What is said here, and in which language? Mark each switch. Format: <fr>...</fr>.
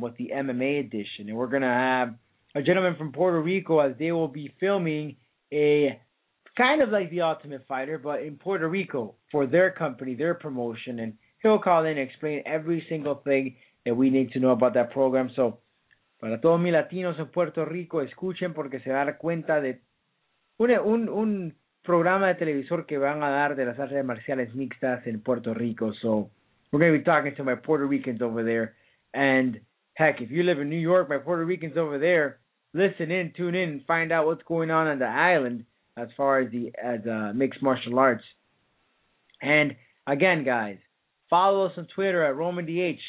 <en>with the MMA edition. And we're going to have a gentleman from Puerto Rico as they will be filming a kind of like the Ultimate Fighter, but in Puerto Rico for their company, their promotion. And he'll call in and explain every single thing that we need to know about that program.</en> <es>So, para todos mis latinos en Puerto Rico, escuchen porque se dan cuenta de un programa de televisor que van a dar de las artes marciales mixtas en Puerto Rico.</es> <en>So, we're going to be talking to my Puerto Ricans over there. And heck, if you live in New York, my Puerto Ricans over there, listen in, tune in, find out what's going on the island as far as the mixed martial arts. And again, guys, follow us on Twitter at RomanDH.</en>